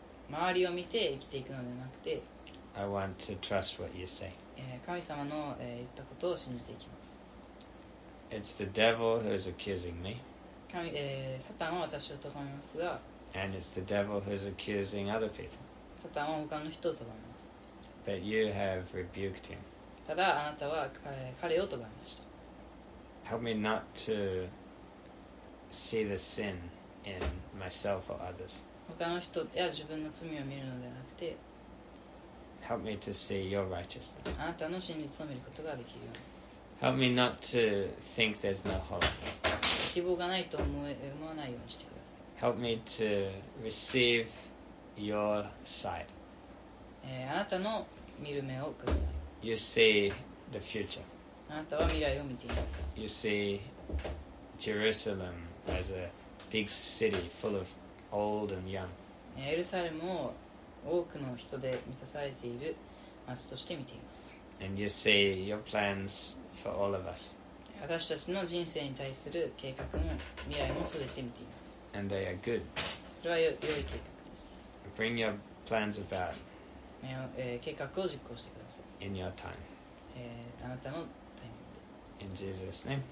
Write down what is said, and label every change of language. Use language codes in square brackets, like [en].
[ja] 周りを見て生きていくのではなくて、 [en] I want to trust what you say. [ja] 神様の言ったことを信じていきます。 [en] It's the devil who is accusing me. [ja] サタンは私をとがめますが、 [en] And it's the devil who's accusing other people. [ja] サタンは他の人をとがめます。 [en] But you have rebuked him. [ja] ただあなたは彼をとがめました。 [en] Help me not to see the sin in myself or others. [ja] 他の人や自分の罪を見るのではなくて、 [en] Help me to see your righteousness. [ja] あなたの真実を見ることができるように。 [en] Help me not to think there's no hope. [ja] 希望がないと思わないようにしてください。 [en] Help me to receive your sight. [ja] あなたの見る目をください。 [en] You see the future. [ja] あなたは未来を見ています。 [en] You see Jerusalem as a big city full of old and young. [ja] エルサレムを多くの人で満たされている町として見ています。 [en] And you see your plans for all of us. [ja] 私たちの人生に対する計画も未来もすべて見ています。 [en] And they are good. [ja] それは良い計画です。 [en] Bring your plans about. [ja] 計画を実行してください。 [en] In your time. [ja] あなたのタイミングで。 [en] In Jesus' name.